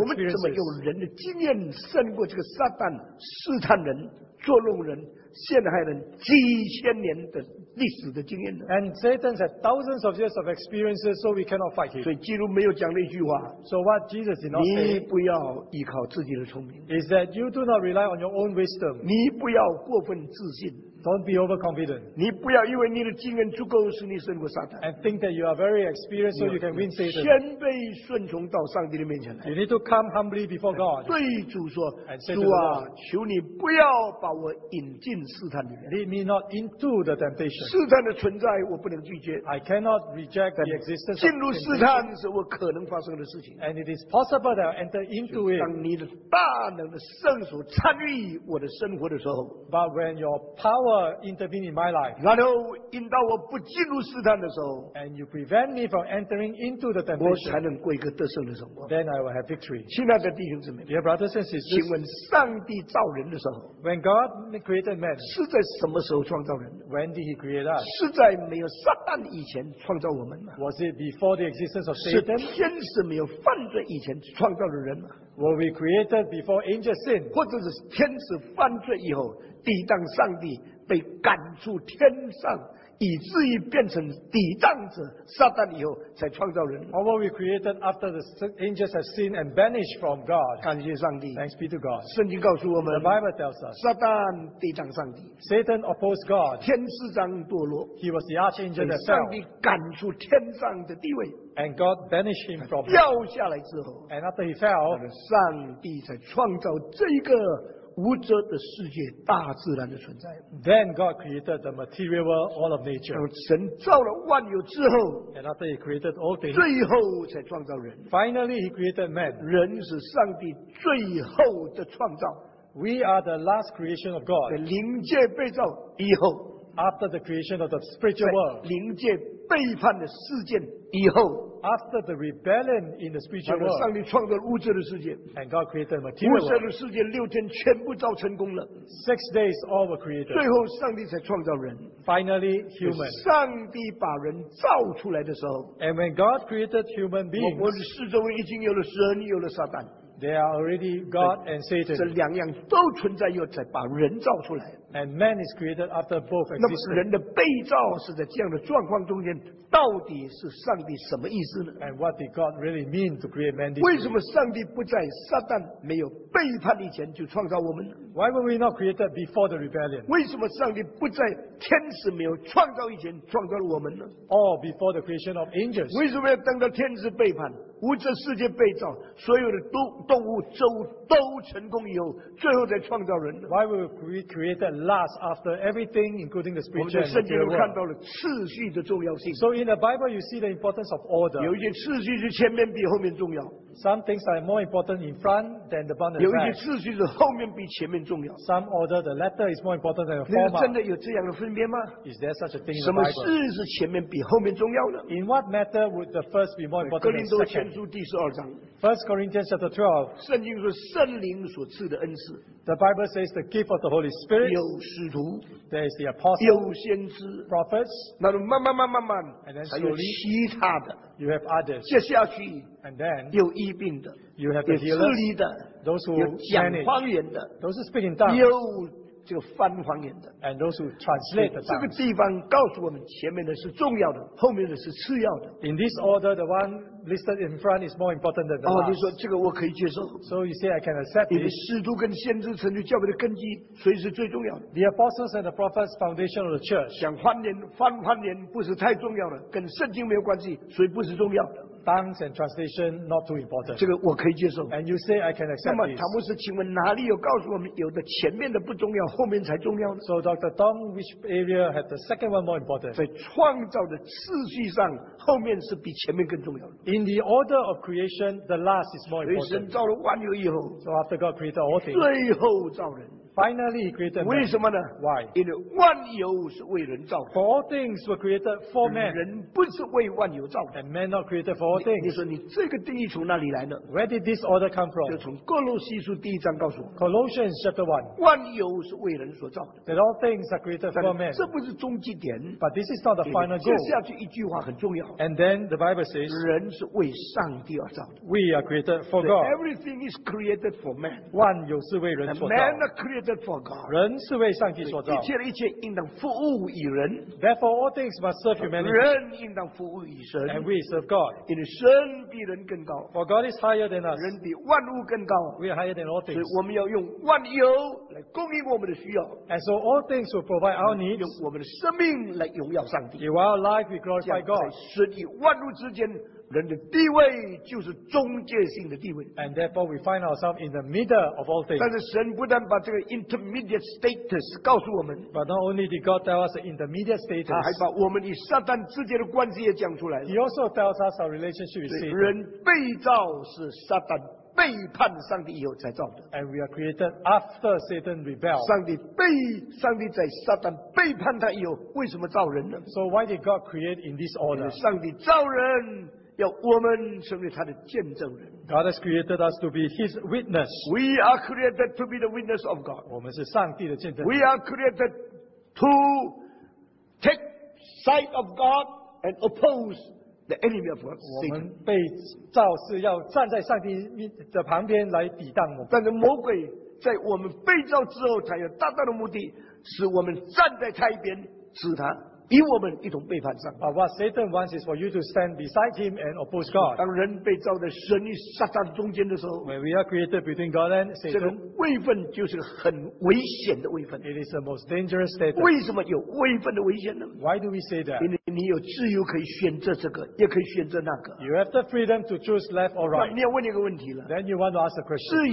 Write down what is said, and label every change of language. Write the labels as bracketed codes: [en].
[zh] 我们怎么有人的经验胜过这个撒旦试探人、捉弄人、陷害人几千年的？历史的经验的 [en] ，and Satan has thousands of years of experiences, so we cannot fight him. [zh] 所以基督没有讲那句话 [en] ，so what Jesus did not say. [zh] 你不要依靠自己的聪明 [en] ，is that you do not rely on your own wisdom. [zh] 你不要过分自信 [en] ，don't be overconfident. [zh] 你不要以为你的经验足够使你胜过撒旦 [en] ，and think that you are very experienced, so you can win Satan. [zh] 谦卑顺从到上帝的面前来 [en] ，you need to come humbly before God. [zh] 对主说 [en] ，and say [zh] 主啊，求你不要把我引进试探里面 [en] ，lead me not into the temptation. [zh] 试探的存在我不能拒绝 [en] I cannot reject the existence [zh] 进入试探是我可能发生的事情 [en] And it is possible that I enter into it [zh] 当你的大能的圣所参与我的生活的时候 [en] But when your power intervene in my life [zh] 然后引导我不进入试探的时候 [en] And you prevent me from entering into the temptation [zh] 我才能过一个得胜的生活 [en] Then I will have victory [zh] 亲爱的弟兄姊妹 [en] Dear brothers and sisters [zh] 请问上帝造人的时候 [en] When God created man [zh] 是在什么时候创造人的 [en] When did he create [zh] 是在没有撒旦以前创造我们吗 [en] ？Was it before the existence of Satan？ [zh] 是天使没有犯罪以前创造的人吗 [en] ？Were we created before angels sin？ [zh] 或者是天使犯罪以后抵挡上帝，被赶出天上，以至于变成抵挡者撒旦以后才创造人。 [en] How were we created after the angels have sinned and banished from God? [zh] 感谢上帝。 [en] Thanks be to God. [zh] 圣经告诉我们。 [en] The Bible tells us. [zh] 撒旦抵挡上帝。 [en] Satan opposed God. [zh] 天使长堕落。 [en] He was the archangel that fell. [zh] 上帝赶出天上的地位。 [en] And God banished him from. [zh] 掉下来之后。 [en] And after he fell. [zh] 上帝才创造这个。无遮的世界，大自然的存在。 [en] Then God created the material world, all of nature. [zh] 神造了万有之后 [en] ，And after He created all things, [zh] 最后才创造人。 [en] Finally, He created man. [zh] 人是上帝最后的创造。 [en] We are the last creation of God. [zh] 在灵界被造以后 [en] ，After the creation of the spiritual world, [zh] 灵界背叛的事件以后。 [en] After the rebellion in the spiritual world, [zh] 上帝创造物质的世界 [en] ，and God created material world. [zh] 物质的世界六天全部造成功了 [en] ，six days all were created. [zh] 最后上帝才创造人 [en] ，finally human. [zh] 上帝把人造出来的时候 [en] ，and when God created human beings, [zh] 我们四周围已经有了神，有了撒旦。 [en] There are already God and Satan. [zh] 这两样都存在，又才把人造出来。 [en] And man is created after both existed. [zh] 那么人的被造是在这样的状况中间，到底是上帝什么意思呢 [en] ？And what did God really mean to create man? [zh] 为什么上帝不在撒旦没有背叛以前就创造我们 [en] ？Why were we not created before the rebellion? [zh] 为什么上帝不在天使没有创造以前创造了我们呢 [en] ？Or before the creation of angels? [zh] 为什么要等到天使背叛？物质世界被造，所有的动物、植物都成功以后，最后才创造人。 [en] Why were we created last after everything, including the spiritual world? [zh] 我们圣经看到了次序的重要性。 [en] So in the Bible, you see the importance of order. [zh] 有一些次序是前面比后面重要。 [en] Some things are more important in front than the bottom. [zh] 有一些次序是后面比前面重要。 [en] Some order, the latter is more important than the former. [zh] 你们真的有这样的分别吗 [en] ？Is there such a thing in the Bible? [zh] 什么事是前面比后面重要的 [en] ？In what matter would the first be more important than the second? First Corinthians chapter 12. [zh] 圣经说圣灵所赐的恩赐。 [en] The Bible says the gift of the Holy Spirit. [zh] 有使徒。 [en] There is the apostle. [zh] 有先知。 [en] Prophets. [zh] 那么慢慢慢慢慢。 [en] And then [zh] 还有其他的。 [en] You have others. [zh] 接下去。 [en] And then [zh] 有医病的。 [en] You have the healers. [zh] 有治理的。 [en] Those who [zh] 有讲方言的。 [en] Those who speak in tongues. [zh] 有这个翻方言的。 [en] And those who translate the tongues. [zh] 这个地方告诉我们，前面的是重要的，后面的是次要的。 [en] In this order, the one listed in front is more important than the last. [zh] 哦，你说这个我可以接受。 [en] So you say I can accept it. [zh] 使徒跟先知成就教会的根基，谁是最重要的 [en] ？The apostles and the prophets foundation of the church. [zh] 讲方言，方言不是太重要的，跟圣经没有关系，所以不是重要的。 [en] Tongues and translation not too important. [zh] 这个我可以接受。 [en] And you say I can accept. [zh] 那么唐牧师，请问哪里有告诉我们有的前面的不重要，后面才重要呢 [en] ？So Dr. Tom, which area had the second one more important? [zh] 在创造的次序上，后面是比前面更重要的。 [en] In the order of creation, the last is more important. [zh] 所以神造了万有以后 [en] ，So after God created all things, [zh] 最后造人。 [en] Finally, he created man. [zh] 为什么呢 [en] ？Why? [zh] 因为万有是为人造的。 [en] For all things were created for man. [zh] 人不是为万有造的。 [en] And man not created for all things. [zh] 你说你这个定义从哪里来呢 [en] ？Where did this order come from? [zh] 就从哥罗西书第一章告诉我。 [en] Colossians chapter 1. [zh] 万有是为人所造的。 [en] That all things are created for man. [zh] 这不是终极点。 [en] But this is not the final goal. [zh] 接下去一句话很重要。 [en] And then the Bible says. [zh] 人是为上帝而造的。 [en] We are created for God. Everything is created for man. [zh] 万有是为人所造。 [en] And man created. [zh] 人是为上帝所造，一切的一切应当服务于人。 [en] Therefore, all things must serve humanity. [zh] 人应当服务于神。 [en] And we serve God. [zh] 因为神比人更高。 [en] For God is higher than us. [zh] 人比万物更高。 [en] We are higher than all things. [zh] 所以我们要用万有来供应我们的需要。 [en] And so all things will provide our needs. [zh] 用我们的生命来荣耀上帝。 [en] In our life, we glorify God. [zh] 使你万物之间。人的地位就是中介性的地位。 [en] And therefore we find ourselves in the middle of all things. [zh] 但是神不但把这个 [en] intermediate status [zh] 告诉我们。 [en] But not only did God tell us the intermediate status. [zh] 他还把我们与撒旦之间的关系也讲出来了。 [en] He also tells us our relationship with Satan. [zh] 人被造是撒旦背叛上帝以后才造的。 [en] And we are created after Satan rebelled. [zh] 上帝在撒旦背叛他以后为什么造人呢 [en] ？So why did God create in this order? [zh] 上帝造人。要我们成为他的见证人。 [en] God has created us to be His witness. We are created to be the witness of God. [zh] 我们是上帝的见证人。 [en] We are created to take side of God and oppose the enemy of God. [zh] 我们被造是要站在上帝的旁边来抵挡我们。但是魔鬼在我们被造之后，他有大大的目的，使我们站在他一边，使他。与我们一同背叛上帝。 [en] But what Satan wants is for you to stand beside him and oppose God. [zh] 当人被造在神与撒旦中间的时候 [en] ，When we are created between God and Satan， [zh] 这个位分就是很危险的位分。 [en] It is the most dangerous state. [zh] 为什么有位分的危险呢 [en] ？Why do we say that？ [zh] 因为你有自由可以选择这个，也可以选择那个。 [en] You have the freedom to choose left or right. [zh] 你要问一个问题了。 [en] Then you want to ask a question.